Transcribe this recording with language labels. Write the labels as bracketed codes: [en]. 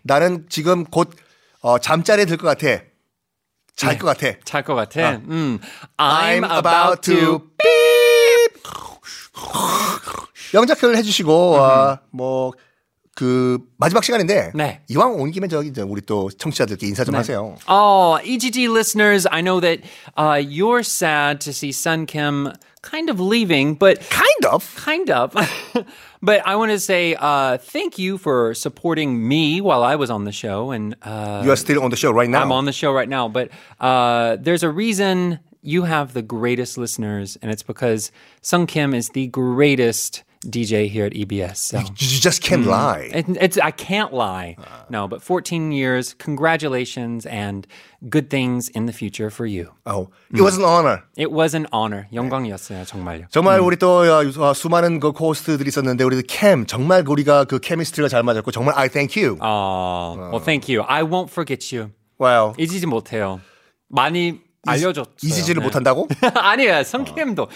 [ko] 나는 지금 곧 잠자리에 들 것 같아. 잘 것 네, 같아. 잘 것 같아. 아. [en] I'm about to beep. [ko] 영작을 해주시고 뭐 그 마지막 시간인데 네. 이왕 온 김에 저기 이제 우리 또 청취자들께 인사 좀 네. 하세요. [en] Oh, EGG listeners, I know that you're sad to see Sun Kim kind of leaving, but kind of. But I want to say thank you for supporting me while I was on the show. And you are still on the show right now. I'm on the show right now. But there's a reason you have the greatest listeners, and it's because Sung Kim is the greatest DJ here at EBS. So. You just can't lie. I can't lie. No, but 14 years, congratulations, and good things in the future for you. Oh, it was an honor. It was an honor. [ko] 영광이었어요, 정말요. 정말 우리 또 수많은 그 코스트들이 있었는데 우리 캠, 정말 우리가 그 케미스트리가 잘 맞았고 정말 [en] I thank you. Well, thank you. I won't forget you. Well. [ko] 잊지 못해요. 많이... 알려줬어요. 잊지를 네. 못한다고? 아니에요. 성킴도.